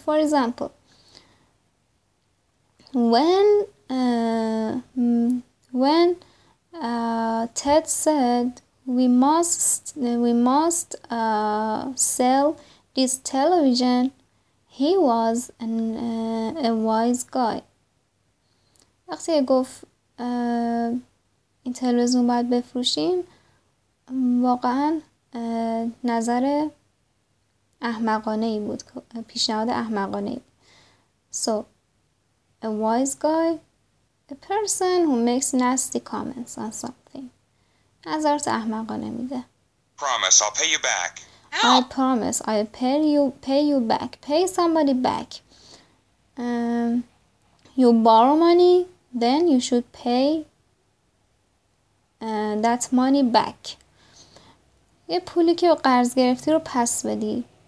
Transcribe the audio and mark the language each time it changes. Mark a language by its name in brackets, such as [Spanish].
[English] For example, when Ted said we must sell this television, he was a wise guy. [Persian] وقتی گفت این تلویزیون باید بفروشیم، واقعا نظر احمقانه ای بود، پیشنهاد احمقانه ای. [English] So a wise guy, a person who makes nasty comments on something. [Persian] نظرت احمقانه میده. [English] Promise, I'll pay you back. I promise, I'll pay you back. Pay somebody back. You borrow money, then you should pay that money back. [Persian] یه پولی که قرض گرفتی رو پس بدی.